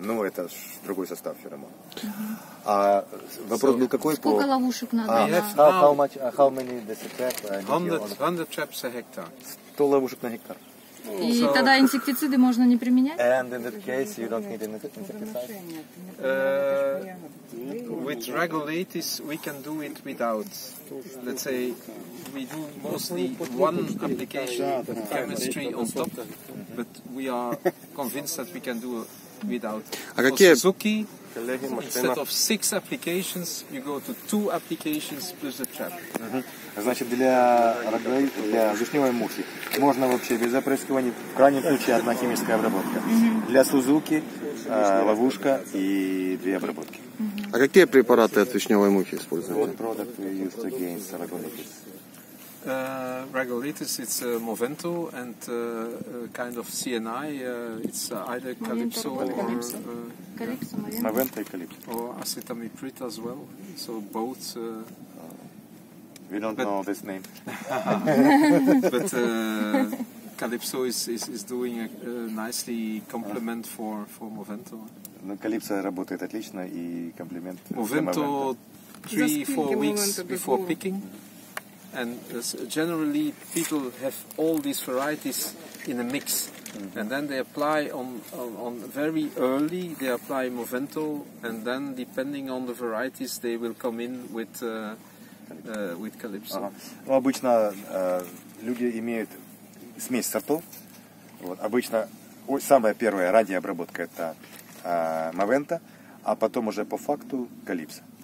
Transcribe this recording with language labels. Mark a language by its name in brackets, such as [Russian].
[Russian] Но это другой состав феромона. Mm-hmm. А вопрос был какой? Сколько ловушек надо? [English] How many Desi trap? 100 traps a hectare. [Russian] 100 ловушек на гектар. И тогда инсектициды можно не применять? [English] And in that case, you don't need any insecticides. With regulators, we can do it without. Let's say, we do mostly one application chemistry on top, but we are convinced that we can do without. For Suzuki, instead of six applications, you go to two applications plus the trap. [Russian] Значит, для вишневой мухи можно вообще без опрыскивания, в крайнем случае, одна химическая обработка. Для Suzuki ловушка и две обработки. А какие препараты от вишневой мухи используются? [English] What product we use against regulators? Regulators, it's Movento and a kind of CNI. It's either Calypso or Movento and Calypso. Or acetamiprid as well. So both. We don't know this name. But Calypso is doing a nicely complement for Movento. [Russian] Но Калипсо работает отлично и комплимент. [English] Movento 3-4 weeks before picking, and generally people have all these varieties in a mix, mm-hmm. and then they apply on very early. They apply Movento, and then depending on the varieties, they will come in with Калипсо. [Russian] Ну, обычно люди имеют смесь сортов. Вот обычно самая первая радиообработка это Мовента, а потом уже по факту калипсо.